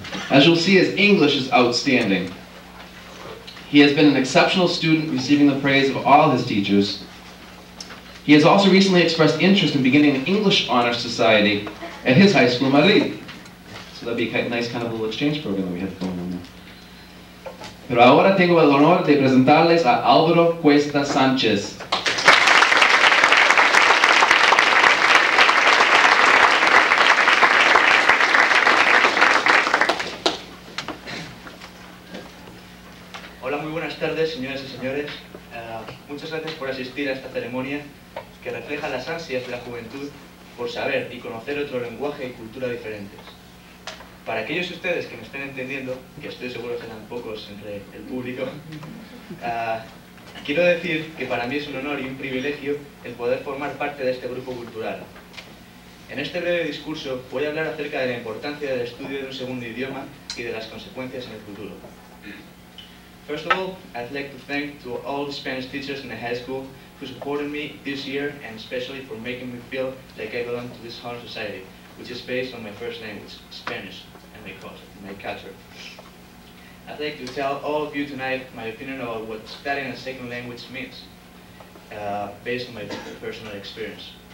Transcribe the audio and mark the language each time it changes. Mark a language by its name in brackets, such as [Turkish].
[English] As you'll see, his English is outstanding. He has been an exceptional student, receiving the praise of all his teachers. He has also recently expressed interest in beginning an English Honor Society at his high school, Madrid. So that'd be a nice kind of little exchange program that we had going on there. [Spanish] Pero ahora tengo el honor de presentarles a Álvaro Cuesta Sánchez. Señoras y señores, muchas gracias por asistir a esta ceremonia que refleja las ansias de la juventud por saber y conocer otro lenguaje y cultura diferentes. Para aquellos de ustedes que me estén entendiendo, que estoy seguro serán pocos entre el público, quiero decir que para mí es un honor y un privilegio el poder formar parte de este grupo cultural. En este breve discurso voy a hablar acerca de la importancia del estudio de un segundo idioma y de las consecuencias en el futuro. [English] First of all, I'd like to thank to all the Spanish teachers in the high school who supported me this year and especially for making me feel like I belong to this honor society, which is based on my first language, Spanish, and my culture. I'd like to tell all of you tonight my opinion about what studying a second language means, based on my personal experience.